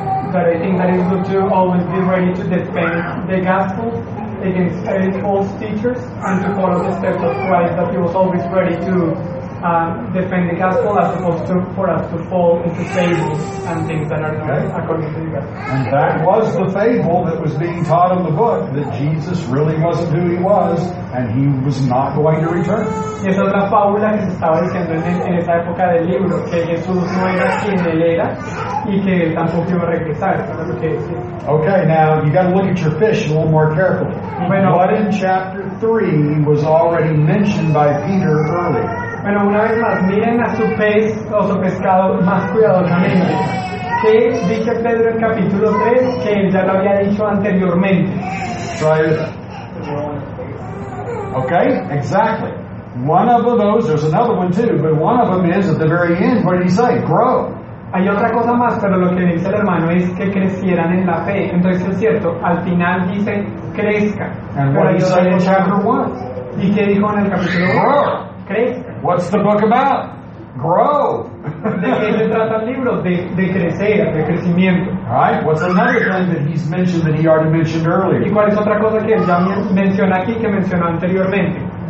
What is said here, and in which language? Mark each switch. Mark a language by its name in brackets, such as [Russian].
[English] But I think that it's good to always be ready to defend the gospel against any false teachers and to follow the steps of Christ, that he was always ready to defend the gospel as opposed to for us to fall into fables and things that are not okay. According to the gospel. And that was the fable that was being taught in the book, that Jesus really wasn't who he was and he was not going to return. [Spanish] Y esa otra fábula que se estaba diciendo en esa época del libro, que Jesús no era quien él era y que él tampoco iba a regresar. [English] Okay, now you got to look at your fish a little more carefully. [Spanish] Bueno, [English] what in chapter 3 was already mentioned by Peter earlier? [Spanish] Bueno, una vez más, miren a su pez o su pescado más cuidadosamente. ¿Qué dice Pedro en capítulo 3 que él ya lo había dicho anteriormente? [English] Try it. Okay, exactly. One of those, there's another one too, but one of them is at the very end, what did he say? Grow. [Spanish] Hay otra cosa más, pero lo que dice el hermano es que crecieran en la fe. Entonces es cierto, al final dice crezca. [English] And what did he say in chapter 1? [Spanish] ¿Y qué dijo en el capítulo 1? [English] Grow. [Spanish] Crezca. [English] What's the book about? Grow. [Spanish] ¿De qué se trata el libro? De crecer, de crecimiento. [English] All right, what's another thing that he's mentioned that he already mentioned earlier? [Spanish] ¿Y cuál es otra cosa que él ya menciona aquí que mencionó anteriormente?